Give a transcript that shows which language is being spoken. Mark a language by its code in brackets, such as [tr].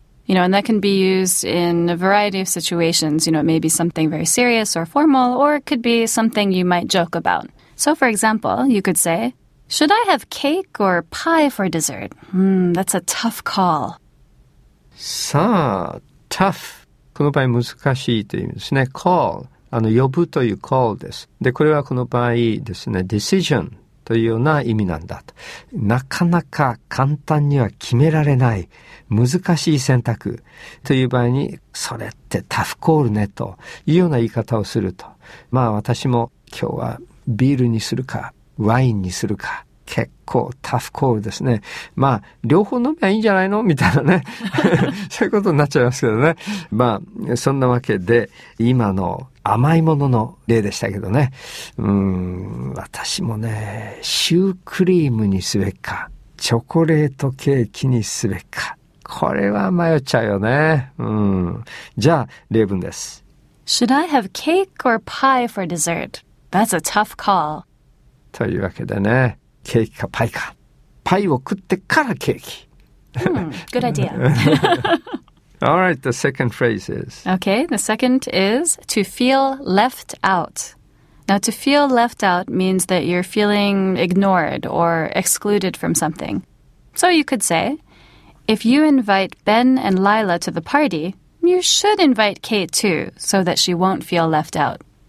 [en] You know, and that can be used in a variety of situations. You know, it may be something very serious or formal, or it could be something you might joke about. So for example, you could say, should I have cake or pie for dessert? That's a tough call. [ja] さあ、tough。この場合難しいという意味ですね。 call、呼ぶという call です。で、これはこの場合ですね、decision というような意味なんだと。なかなか簡単には決められない難しい選択という場合に、それってタフコールねというような言い方をすると。まあ私も今日はビールにするか、ワインにするか、結構タフコールですね。まあ、両方飲めばいいんじゃないのみたいなね。そういうことになっちゃいますけどね。まあ、そんなわけで、今の甘いものの例でしたけどね。私もね、シュークリームにすべきか、チョコレートケーキにすべきか。これは迷っちゃうよね。じゃあ、例文です。 [en] Should I have cake or pie for dessert? That's a tough call. [ja] というわけでね。ケーキかパイか。パイを食ってからケーキ。 [en] Good idea. All right, the second phrase is... Okay, the second is to feel left out. Now, to feel left out means that you're feeling ignored or excluded from something. So you could say, if you invite Ben and Lila to the party, you should invite Kate too, so that she won't feel left out.